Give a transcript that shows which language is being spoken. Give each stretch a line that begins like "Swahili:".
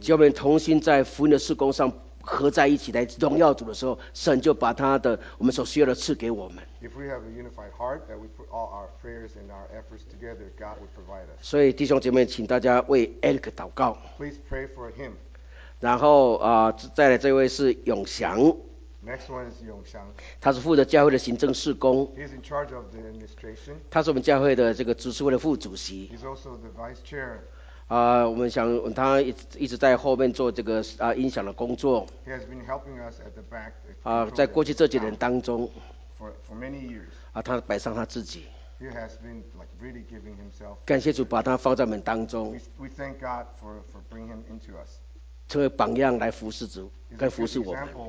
Chinese: 只要我们同心在福音的事工上合在一起来荣耀主的时候，神就把他的我们所需要的赐给我们。
English: If we have a unified heart that we put all our prayers and our efforts together, God will provide us.
Chinese: 所以弟兄姐妹，请大家为 Eric 祷告。
English: Please pray for him.
Chinese: 然后再来这位是永祥。
English: Next one is 永祥。
Chinese: 他是负责教会的行政事工。
English: He's in charge of the administration.
Chinese: 他是我们教会的这个执事会的副主席。
English: He's also the vice chair.
Chinese: 我们想他一直在后面做这个音响的工作。
English: He has been helping us at the back.
Chinese: 在过去这几年当中。
English: For many years.
Chinese: 他摆上他自己。
English: He has been like really giving himself.
Chinese: 感谢主把他放在我们当中。
English: We thank God for bringing him into us.
Chinese: 成为榜样来服侍主，跟服侍我们。